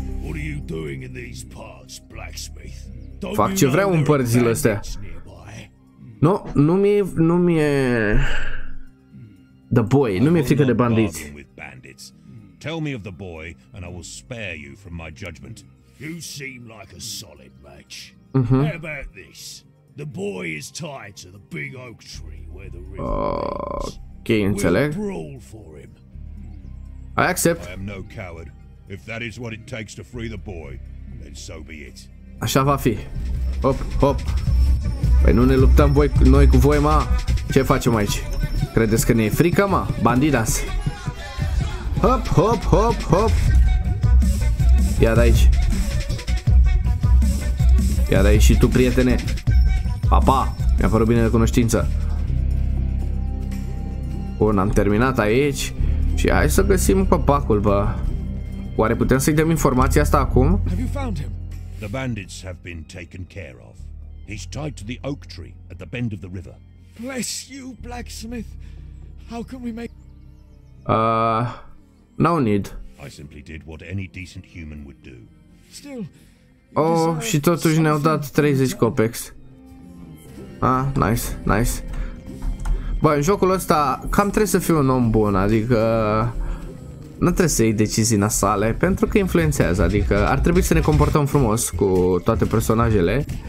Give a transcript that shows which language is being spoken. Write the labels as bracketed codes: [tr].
[en] What are you doing in these parts, blacksmith? [ro] Fac ce vreau în părțile astea. Nu, nu mi-e... [en] The boy, [ro] nu mi-e frică de bandiți. [en] Tell me of the boy and I will spare you from my judgment. You seem like a solid match. Uh-huh. How about this? The boy is tied to the big oak tree where the river okay, [ro] înțeleg. [en] I accept. I am no coward. If that is what it takes to free the boy, then so be it. [ro] Așa va fi. Hop, hop. Păi nu ne luptăm noi cu voi, ma? Ce facem aici? Credeți că ne e frică, ma? Bandidas. Hop, hop, hop, hop. Ia de aici. Ia de aici și tu, prietene. Pa, pa. Mi-a părut bine de cunoștință. Bun, am terminat aici. Și hai să găsim copacul, bă. Oare putem să-i dăm informația asta acum? [en] The bandits have been taken care of. He's tied to the oak tree at the bend of the river. Bless you, blacksmith. How can we make... No need. I simply did what any decent human would do. Still... [ro] Oh, și totuși ne-au dat 30 copecs. [en] Ah, nice. [ro] Bă, în jocul ăsta cam trebuie să fiu un om bun, adică... Nu trebuie să iei decizii nasale, pentru că influențează, adică ar trebui să ne comportăm frumos cu toate personajele.